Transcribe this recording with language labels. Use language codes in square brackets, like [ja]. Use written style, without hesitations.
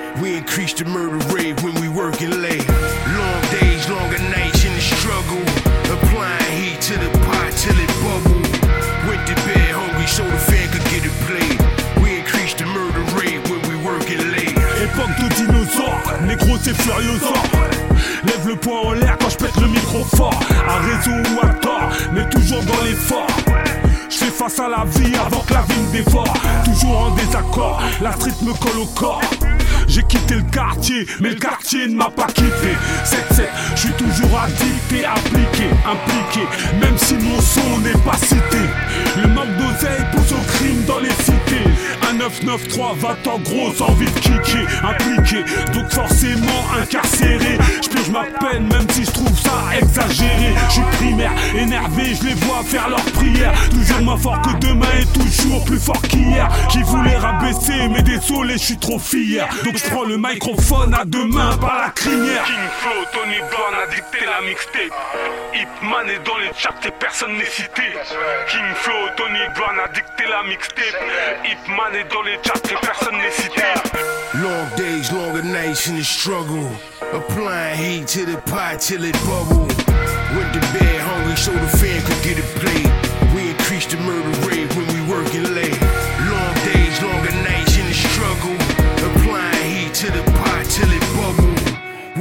[en] We increased the murder rate when we working late. Long days, longer nights in the struggle. Applying heat to the pot till it bubble. Went to bed hungry so the fan could get it played. We increased the murder rate when we working late. [fr] Époque de dinosaures, négro c'est furieux. Lève le poing en l'air quand je pète le micro fort. A raison ou à tort, mais toujours dans l'effort. J'fais face à la vie avant que la vie me dévore. Toujours en désaccord, la street me colle au corps. J'ai quitté le quartier, mais le quartier ne m'a pas quitté. 7-7, j'suis toujours addicté, appliqué, impliqué. Même si mon son n'est pas cité. Le manque d'oseille pousse au crime dans les cités. Un 9-9-3, 20 ans gros, envie de kicker, impliqué. Donc forcément incarcéré. J'purge ma peine même si j'trouve ça exagéré. J'suis primaire, énervé, j'les vois faire leur prière. Toujours moins fort que demain et toujours plus fort qu'hier. Qui voulait rabaisser, mais désolé j'suis trop fier. Donc je prends le microphone à deux mains par la crinière. King Flo, Tony Blanc a dicté la mixtape. Hip Man est dans les chats et personne n'est cité. King Flo, Tony Blanc a dicté la mixtape. Hip Man est dans les chats et personne n'est cité. [en] Long days, longer nights in the struggle. Applying heat to the pot till it bubble. Went to bed hungry so the fan could get a plate. We increased used to murder rave when we working late. Long days, longer nights in the struggle. Applying heat to the pot till it bubble.